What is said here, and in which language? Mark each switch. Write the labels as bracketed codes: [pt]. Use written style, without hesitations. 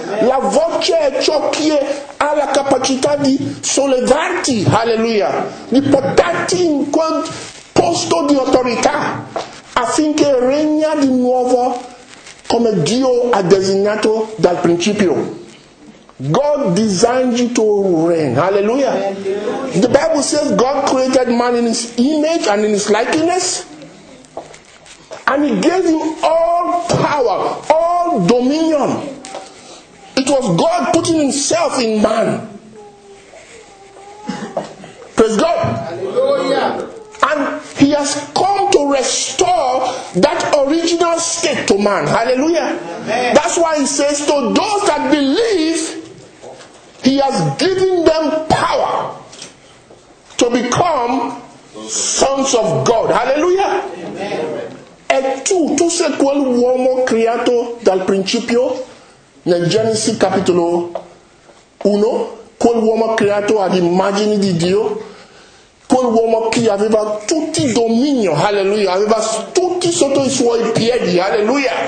[it] La voce è ciò che ha la capacità di sollevarti. Alleluia. Di portarti in quel posto di autorità affinché regna di nuovo come Dio ha designato dal principio. [en] God designed you to reign. Hallelujah. The Bible says God created man in his image and in his likeness. And he gave you all power, all dominion. It was God putting himself in man. Praise God. Hallelujah. And he has come to restore that original state to man. Hallelujah. Amen. That's why he says to those that believe, he has given them power to become sons of God. Hallelujah. Amen. [it] E tu sei quel uomo creato dal principio nel Genesi capitolo 1, quel uomo creato all'immagine di Dio. Quel uomo che aveva tutti i dominio, alleluia, aveva tutti sotto i suoi piedi, alleluia.